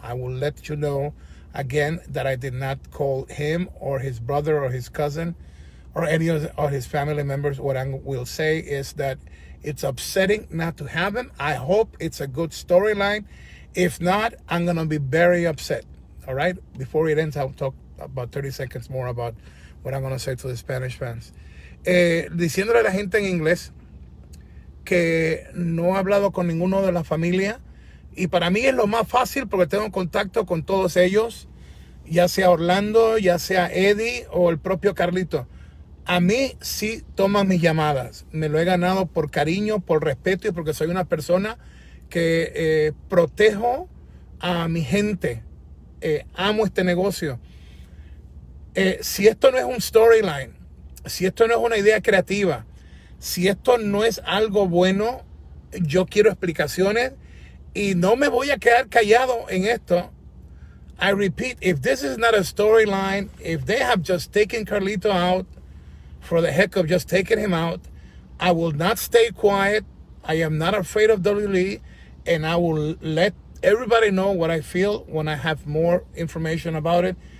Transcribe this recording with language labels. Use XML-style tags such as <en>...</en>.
<en>I will let you know again that I did not call him or his brother or his cousin or any of his family members. What I will say is that it's upsetting not to have him. I hope it's a good storyline. If not, I'm gonna be very upset. All right? Before it ends, I'll talk about 30 seconds more about what I'm gonna say to the Spanish fans.</en> <es>Diciéndole a la gente en inglés que no he hablado con ninguno de la familia, y para mí es lo más fácil porque tengo contacto con todos ellos, ya sea Orlando, ya sea Eddie o el propio Carlito. A mí sí toman mis llamadas, me lo he ganado por cariño, por respeto y porque soy una persona que protejo a mi gente, amo este negocio. Si esto no es un storyline, si esto no es una idea creativa, si esto no es algo bueno, yo quiero explicaciones y no me voy a quedar callado en esto.</es> <en>I repeat, if this is not a storyline, if they have just taken Carlito out for the heck of just taking him out, I will not stay quiet. I am not afraid of WWE, and I will let everybody know what I feel when I have more information about it.</en>